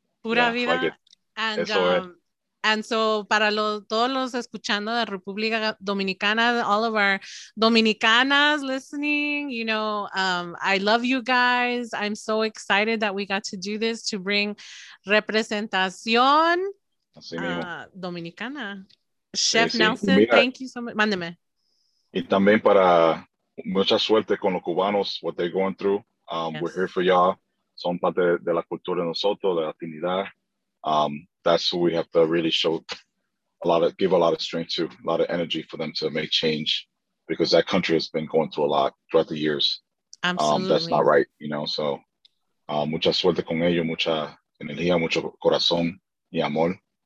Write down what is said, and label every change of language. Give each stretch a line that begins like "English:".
English: Pura yeah, Vida. Like it. And so,
Spanish: para todos los escuchando de República Dominicana,
English: all of our Dominicanas listening, you know, I love you guys. I'm so excited that we got to do this to bring
Spanish: representación Dominicana.
English: Chef Nelson, mira, thank you so much. Mándeme.
Spanish: Y también para mucha suerte con los cubanos,
English: what they're going through. Yes. We're here for y'all.
Spanish: Son parte de la cultura de nosotros, de la latinidad.
English: That's who we have to really show give a lot of strength to, a lot of energy for them to make change, because that country has been going through a lot throughout the years. Absolutely. That's not right, you know.
Spanish: So mucha suerte con ellos, mucha energía, mucho corazón y amor.